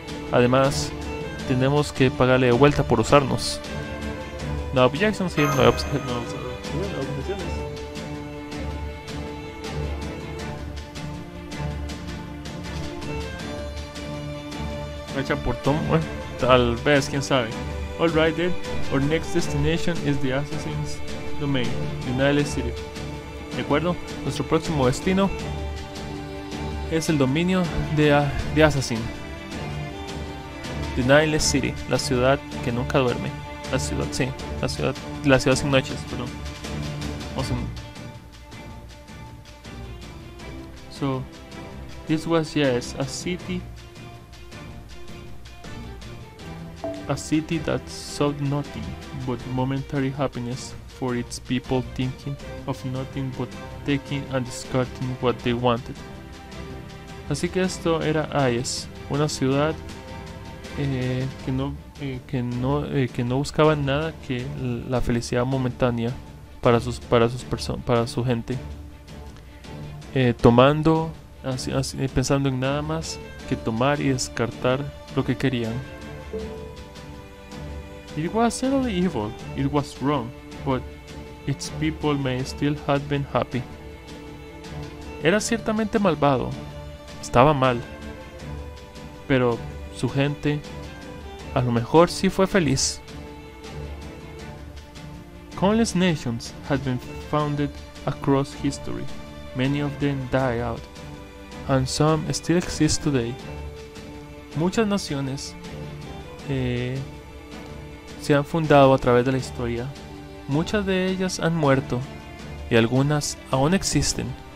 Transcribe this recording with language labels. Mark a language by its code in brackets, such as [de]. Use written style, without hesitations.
[es] Además, tenemos que pagarle de vuelta por usarnos. [en] No objection, sí, no objection. [es] Hecha por Tom, bueno, tal vez, quién sabe. [en] Alright then, our next destination is the Assassin's Domain, the Nile City. [es] De acuerdo, nuestro próximo destino es el dominio de Assassin. The Nile City, la ciudad que nunca duerme. La ciudad, sí, la ciudad sin noches, perdón. [en] Awesome. So, this was, yes, a city. A city that sought nothing but momentary happiness for its people, thinking of nothing but taking and discarding what they wanted. [es] Así que esto era Ayes, una ciudad que no buscaba nada que la felicidad momentánea para su gente, tomando así, pensando en nada más que tomar y descartar lo que querían. [en] It was certainly evil, it was wrong, but its people may still have been happy. [es] Era ciertamente malvado, estaba mal, pero su gente a lo mejor sí fue feliz. [en] Countless nations had been founded across history, many of them died out, and some still exist today. [es] Muchas naciones, se han fundado a través de la historia. Muchas de ellas han muerto y algunas aún existen.